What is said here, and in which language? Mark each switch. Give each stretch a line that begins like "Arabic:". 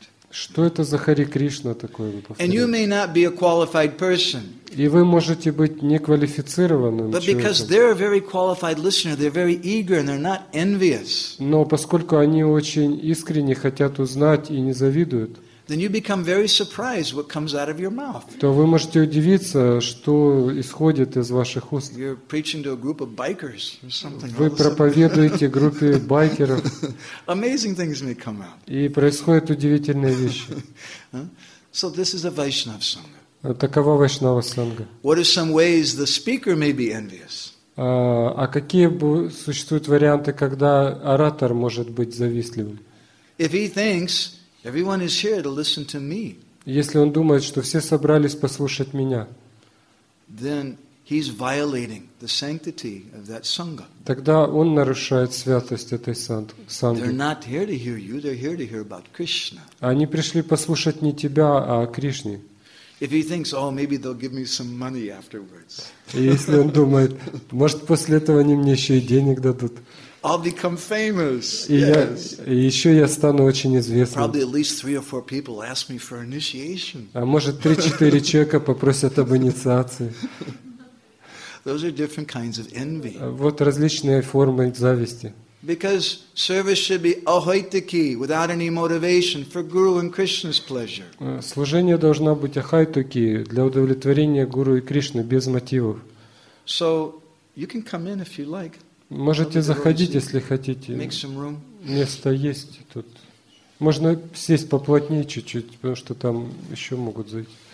Russian: Что это за Хари Кришна такое? Вы повторяете. И вы можете быть неквалифицированным человеком. Но поскольку они очень искренне хотят узнать и не завидуют,
English: Then you become very surprised what comes out of your mouth.
Russian: То вы можете удивиться, что исходит из ваших уст.
English: You're preaching to a group of bikers or something.
Russian: Вы проповедуете группе байкеров.
English: Amazing things may come out.
Russian: И происходят удивительные вещи.
English: So this is a Vaishnava Sangha.
Russian: Такова Вайшнава Санга.
English: What are some ways the speaker may be envious?
Russian: А какие существуют варианты, когда оратор может быть завистливым?
English: If he thinks Everyone is here to listen to me.
Russian: Если он думает, что все собрались послушать меня,
English: then he's violating the sanctity of that sangha.
Russian: Тогда он нарушает святость этой санги.
English: They're not here to hear you. They're here to hear about Krishna.
Russian: Они пришли послушать не тебя, а Кришне.
English: If he thinks, oh, maybe they'll give me some money afterwards.
Russian: Если он думает, может после этого они мне еще и денег дадут.
English: I'll become famous.
Russian: И еще я стану очень известным.
English: Probably at least three or four people ask me for initiation.
Russian: А может 3-4 человека попросят об инициации.
English: Those are different kinds of envy.
Russian: Вот различные формы зависти.
English: Because service should be ahaitaki, without any motivation, for Guru and Krishna's pleasure.
Russian: Служение должно быть ахайтуки для удовлетворения Гуру и Кришны без мотивов.
English: So you can come in if you like.
Russian: Можете заходить, если хотите. Место есть тут. Можно сесть поплотнее чуть-чуть, потому что там еще могут зайти.